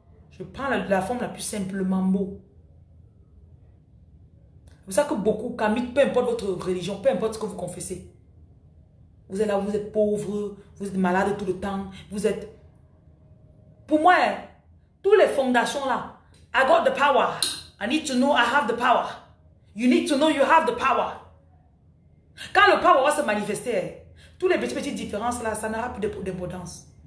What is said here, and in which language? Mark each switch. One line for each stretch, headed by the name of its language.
French: Je prends la forme la plus simple, le mambo. C'est pour ça que beaucoup, Camille, peu importe votre religion, peu importe ce que vous confessez, vous êtes là, vous êtes pauvre, vous êtes malade tout le temps, vous êtes. Pour moi, tous les fondations là,
English: I got the power. I need to know I have the power. You need to know you have the power.
French: Quand le power va se manifester, toutes les petites différences là, ça n'aura plus d'importance.